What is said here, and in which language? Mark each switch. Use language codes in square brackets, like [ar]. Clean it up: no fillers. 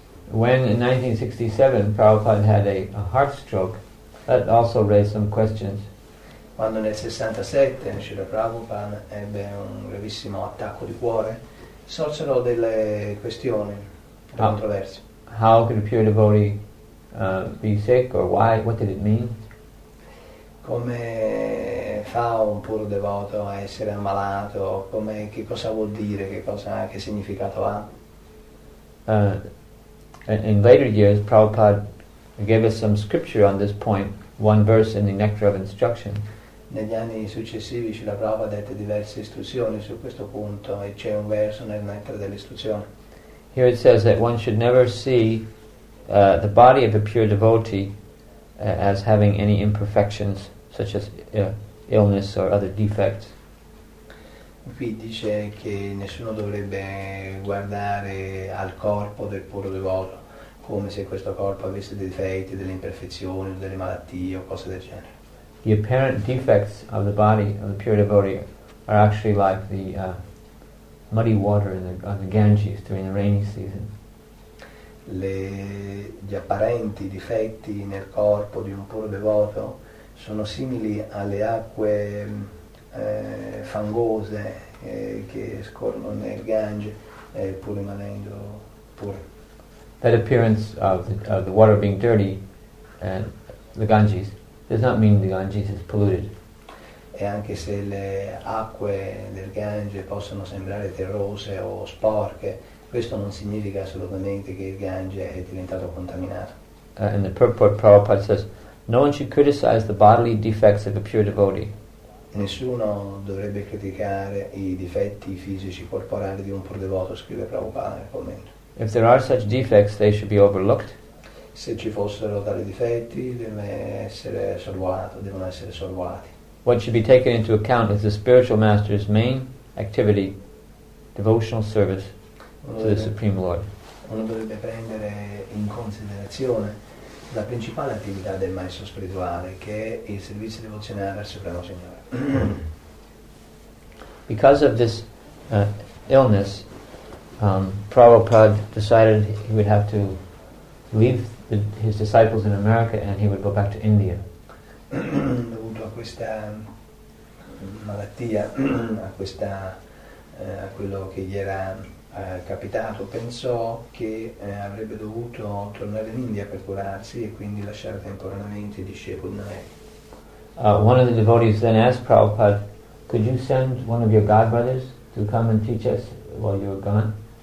[en] When in 1967 Prabhupada had a heart stroke, that also raised some questions. [it] Quando nel 67 Srila Prabhupada ebbe un gravissimo attacco di cuore, sorsero delle questioni, delle controversie. [en] How could a pure devotee be sick, or why? What did it mean? [it] Come fa un puro devoto a essere ammalato? Come, che cosa vuol dire? Che cosa, che significato ha? [en] In later years, Prabhupada gave us some scripture on this point, one verse in the Nectar of Instruction. [it] Negli anni successivi Srila Prabhupada dette diverse istruzioni su questo punto e c'è un verso nel Nectar dell'istruzione. [en] Here it says that one should never see the body of a pure devotee as having any imperfections such as illness or other defects. [it] Qui dice che nessuno dovrebbe guardare al corpo del puro devoto come se questo corpo avesse dei difetti, delle imperfezioni, delle malattie o cose del genere. [en] The apparent defects of the body of the pure devotee are actually like the muddy water on the Ganges during the rainy season. [it] Gli apparenti difetti nel corpo di un puro devoto sono simili alle acque fangose che scorrono nel Gange, pur rimanendo pure. [en] That appearance of the water being dirty and the Ganges does not mean the Ganges is polluted. [it] E anche se le acque del Gange possono sembrare terrose o sporche, questo non significa assolutamente che il Gange è diventato contaminato. [en] In the purport, Prabhupada says, no one should criticize the bodily defects of a pure devotee. [it] Nessuno dovrebbe criticare i difetti fisici corporali di un puro devoto, scrive Prabhupada nel commento. [en] If there are such defects, they should be overlooked. [it] Se ci fossero tali difetti, devono essere sorvolati. [en] What should be taken into account is the spiritual master's main activity, devotional service to the Supreme Lord. [it] Uno dovrebbe prendere in considerazione la principale attività del maestro spirituale, che è il servizio devozionale al Supremo Signore. [en] Because of this illness, Prabhupada decided he would have to leave his disciples in America and he would go back to India. [it] Dovuto a questa malattia, a quello che gli era capitato, pensò che avrebbe dovuto tornare in India per curarsi e quindi lasciare temporaneamente i discepoli in America. [en] One of the devotees then asked Prabhupada, could you send one of your god brothers to come and teach us while you're gone?